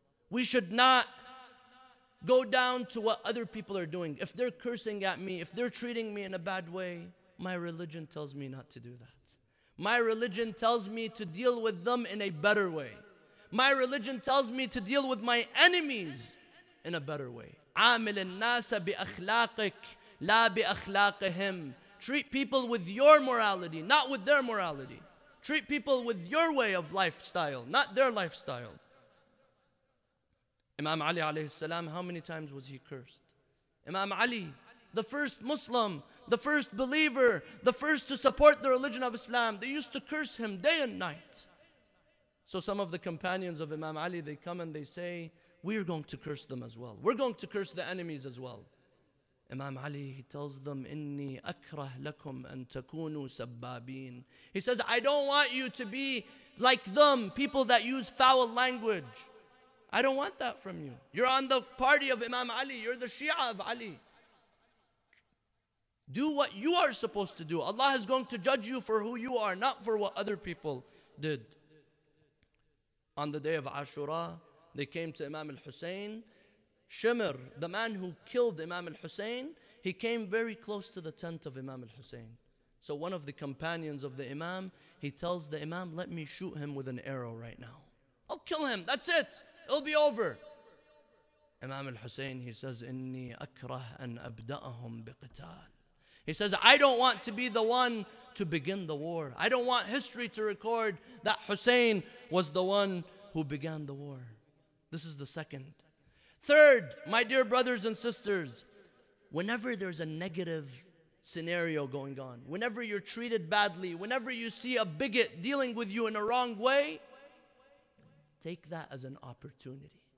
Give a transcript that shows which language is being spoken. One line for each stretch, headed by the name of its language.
English: We should not go down to what other people are doing. If they're cursing at me, if they're treating me in a bad way, my religion tells me not to do that. My religion tells me to deal with them in a better way. My religion tells me to deal with my enemies in a better way.
Arabic: عامل الناس بأخلاقك لا بأخلاقهم.
English: Treat people with your morality, not with their morality. Treat people with your way of lifestyle, not their lifestyle. Imam Ali alayhi salam, how many times was he cursed? Imam Ali, the first Muslim, the first believer, the first to support the religion of Islam, they used to curse him day and night. So some of the companions of Imam Ali, they come and they say, we're going to curse them as well. We're going to curse the enemies as well. Imam Ali, he tells them,
Arabic: إِنِّي أَكْرَهْ لَكُمْ أَن تَكُونُوا سَبَّابِينَ.
English: He says, I don't want you to be like them, people that use foul language. I don't want that from you. You're on the party of Imam Ali. You're the Shia of Ali. Do what you are supposed to do. Allah is going to judge you for who you are, not for what other people did. On the day of Ashura, they came to Imam al-Hussein. Shimr, the man who killed Imam al-Husayn, he came very close to the tent of Imam al-Husayn. So one of the companions of the Imam, he tells the Imam, let me shoot him with an arrow right now. I'll kill him, that's it, it'll be over. Imam al-Husayn, he says,
Arabic: إِنِّي أَكْرَهُ أَنْ أَبْدَأَهُمْ بِقِتَالِ.
English: He says, I don't want to be the one to begin the war. I don't want history to record that Hussein was the one who began the war. This is the second. Third, my dear brothers and sisters, whenever there's a negative scenario going on, whenever you're treated badly, whenever you see a bigot dealing with you in a wrong way, take that as an opportunity.